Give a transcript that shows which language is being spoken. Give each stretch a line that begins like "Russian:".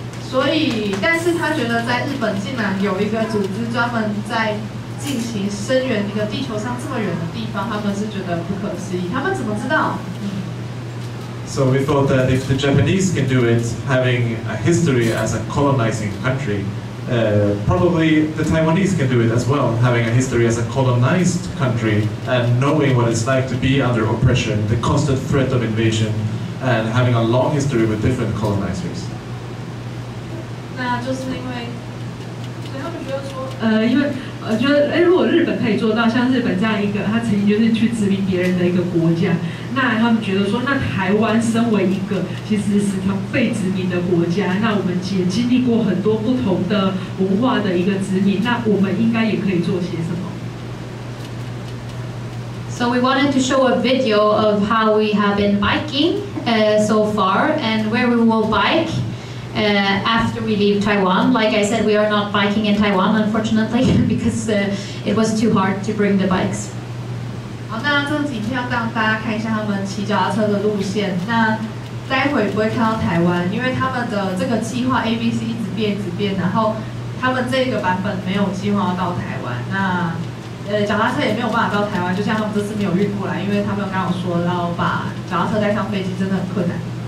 Chinese: 所以，但是他觉得在日本竟然有一个组织专门在。进行声援一个地球上这么远的地方，他们是觉得不可思议。他们怎么知道？
English: So we thought that if the Japanese can do it, having a history as a colonizing country, probably the Taiwanese can do it as well, having a history as a colonized country and knowing what it's like to be under oppression, the constant threat of invasion, and having a long history with different colonizers.
Chinese: 那就是因为，所以他们觉得说，我觉得，如果日本可以做到像日本这样一个，他曾经就是去殖民别人的一个国家，那他们觉得说，那台湾身为一个其实是条被殖民的国家，那我们也经历过很多不同的文化的一个殖民，那我们应该也可以做些什么。
English: So we wanted to show a video of how we have been biking, so far, and where we will bike. After we leave Taiwan. Like I said, we are not biking in Taiwan, unfortunately, because it was too hard to bring the bikes.
Chinese: 好，那这几天要让大家看一下他们骑脚踏车的路线。那待会不会看到台湾，因为他们的这个计划 ABC 一直变，然后他们这个版本没有计划到台湾。那脚踏车也没有办法到台湾，就像他们这次没有运过来，因为他们刚刚说到把脚踏车带上飞机真的很困难。